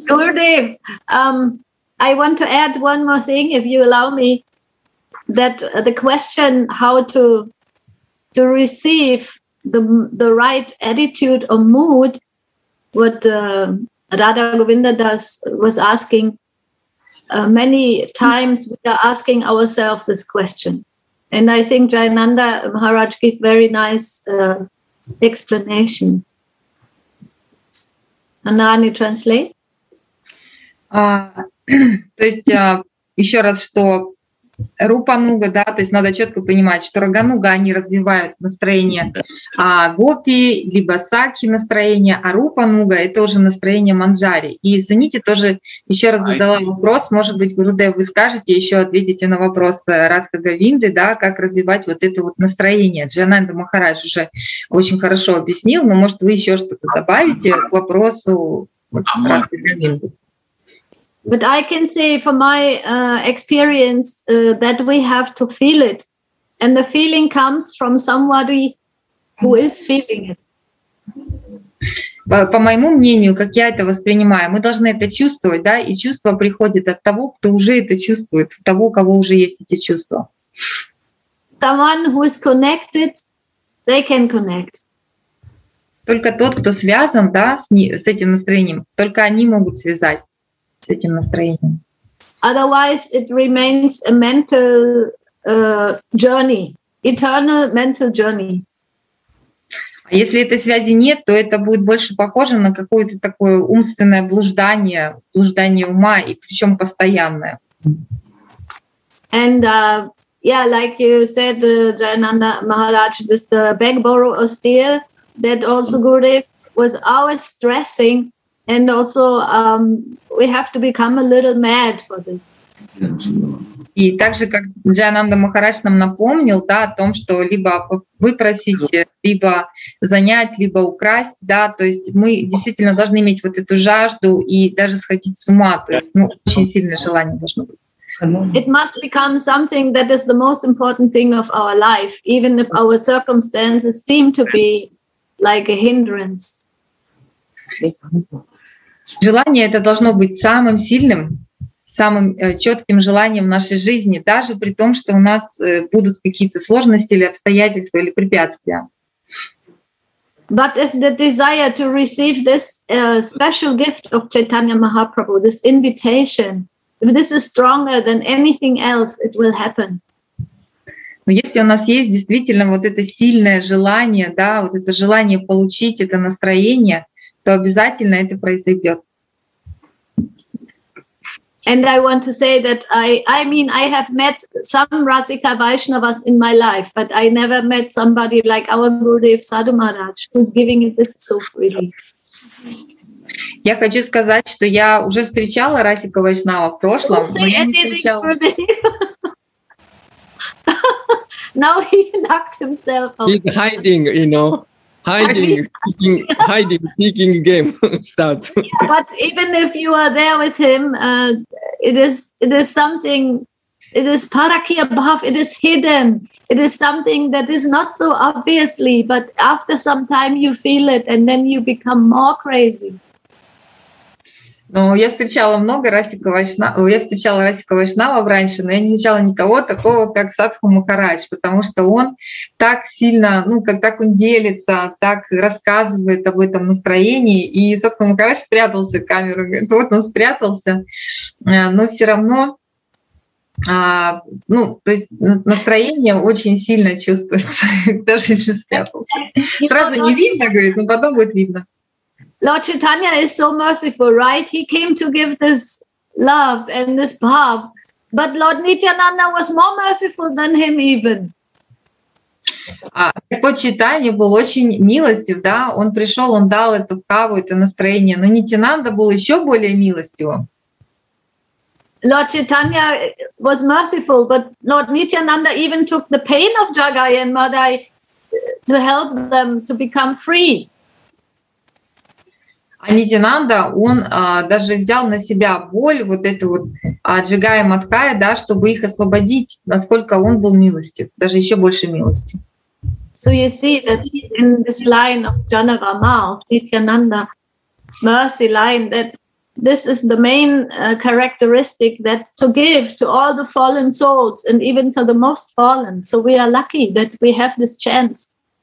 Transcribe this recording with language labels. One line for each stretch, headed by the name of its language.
English: Gurudev, I want to add one more thing, if you allow me, that the question how to receive the right attitude or mood, what Radha Govinda Das was asking, many times we are asking ourselves this question. And I think Jayananda Maharaj gave very nice explanation. Анани, translate.
Russian: То есть еще раз, что рупануга, да, то есть надо четко понимать, что рагануга они развивают настроение, а гопи либо сакхи настроение, а рупануга это уже настроение манджари. И извините, тоже еще раз задала вопрос, может быть, Гурудев, вы скажете еще ответите на вопрос Радха Говинды, да, как развивать вот это вот настроение. Джананда Махарадж уже очень хорошо объяснил, но может вы еще что-то добавите к вопросу Радха Говинды.
English: But I can say from my experience that we have to feel it. And the feeling comes from somebody who is feeling it.
Russian: По моему мнению, как я это воспринимаю, мы должны это чувствовать, да, и чувство приходит от того, кто уже это чувствует, от того, у кого уже есть эти чувства.
English: Someone who is connected, they can connect.
Russian: Только тот, кто связан, да, с этим настроением, только они могут связать. С этим настроением.
English: Otherwise, it remains a mental journey, eternal mental journey.
Russian: А если этой связи нет, то это будет больше похоже на какое-то такое умственное блуждание, блуждание ума, и причем постоянное.
English: And yeah, like you said, Jayananda Maharaj, this beg, borrow or steal, that also Gurudev was always stressing. And also, we have to become a little mad for this.
Russian: И также, как Джайананда Махарадж нам напомнил, да, о том, что либо выпросить, либо занять, либо украсть, да, то есть мы действительно должны иметь вот эту жажду и даже сходить с ума, то есть, ну, очень сильное желание должно быть.
English: It must become something that is the most important thing of our life, even if our circumstances seem to be like a hindrance.
Russian: Желание это должно быть самым сильным, самым четким желанием в нашей жизни, даже при том, что у нас будут какие-то сложности или обстоятельства или препятствия.
English: But if the desire to receive this special gift of Chaitanya Mahaprabhu, this invitation, if this is stronger than anything else, it will happen.
Russian: Но если у нас есть действительно вот это сильное желание, да, вот это желание получить это настроение, то обязательно это произойдет.
English: And I want to say that I mean I have met some Rasika Vaishnavas in my life, but I never met somebody like our Gurudev Sadhu Maharaj, who's giving it so freely.
Russian: Я хочу сказать, что я уже встречала Расика Вайшнава в прошлом, но я не встречала.
English: Now he locked himself up. He's hiding, you know. Hiding, speaking game starts. Yeah, but even if you are there with him, it is something, it is parakya bhav, it is hidden. It is something that is not so obviously, but after some time you feel it and then you become more crazy.
Russian: Ну, я встречала много Расика Вайшнава, я встречала Расика Вайшнава раньше, но я не встречала никого такого, как Садху Махарадж, потому что он так сильно, ну, как так он делится, так рассказывает об этом настроении, и Садху Махарадж спрятался в камеру, вот он спрятался, но все равно, ну, то есть настроение очень сильно чувствуется, даже если спрятался. Сразу не видно, говорит, но потом будет видно.
English: Lord Chaitanya is so merciful, right? He came to give this love and this bhav, but Lord Nityananda was more merciful than him even.
Russian: Господь Чайтанья был очень милостив, да? Он пришел, он дал эту бхаву, это настроение, но Нитянанда был еще более милостивым.
English: Lord Chaitanya was merciful, but Lord Nityananda even took the pain of Jagai and Madai to help them to become free.
Russian: А Нитянанда, он даже взял на себя боль вот эту вот Джигая Маткая, да, чтобы их освободить, насколько он был милостив, даже еще больше милости.
English: So you see that in this line of Janava Mao, Nityananda's mercy line, that this is the main characteristic that to give to all the fallen souls and even to the most fallen. So we are lucky that we have this chance.